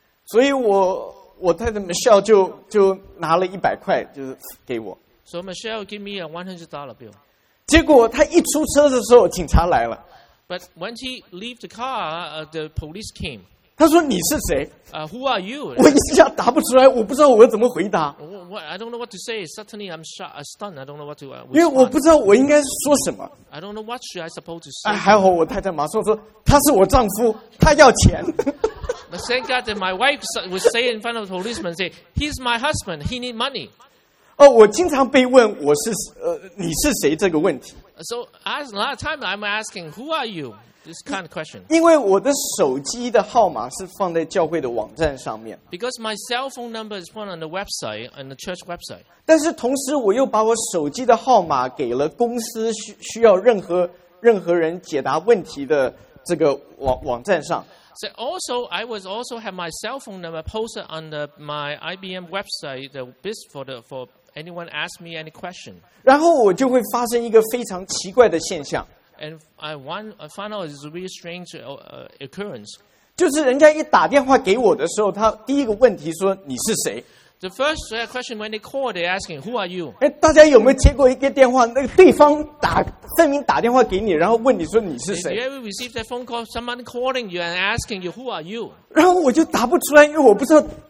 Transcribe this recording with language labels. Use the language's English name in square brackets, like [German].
[Chinese] 所以我太太 Michelle 就拿了100块，就是给我。 [English] So Michelle gave me a $100 bill. [Chinese] 结果他一出车的时候，警察来了。 [English] But when he left the car, the police came. [Chinese] 他说你是谁？ [English] Who are you? [Chinese] 我一下答不出来，我不知道我怎么回答。 [English] I don't know what to say. Suddenly, I'm stunned. I don't know what to. [Chinese] 因为我不知道我应该说什么。 [English] I don't know what should I supposed to say. [Chinese] 哎，还好我太太马上说他是我丈夫，他要钱。 [English] But thank God that my wife was saying in front of the policeman, say he's my husband. He need money. [Chinese] 哦，我经常被问我是你是谁这个问题。 [English] So a lot of time I'm asking who are you this kind of question. [Chinese] 因为我的手机的号码是放在教会的网站上面。 [English] Because my cell phone number is put on the website and the church website. [Chinese] 但是同时我又把我手机的号码给了公司需要任何人解答问题的这个网站上。 [English] So also I was also have my cell phone number posted on the my IBM website the best for the for. Anyone ask me any question? [Chinese] 然后我就会发生一个非常奇怪的现象。 [English] And I find out it's a really strange occurrence. [Chinese] 就是人家一打电话给我的时候，他第一个问题说你是谁。 [English] The first question when they call, they asking who are you? [Chinese] 哎，大家有没有接过一个电话？那个对方打分明打电话给你，然后问你说你是谁 [English] ？Did you ever receive that phone call? Someone calling you and asking you who are you? [Chinese] 然后我就答不出来，因为我不知道。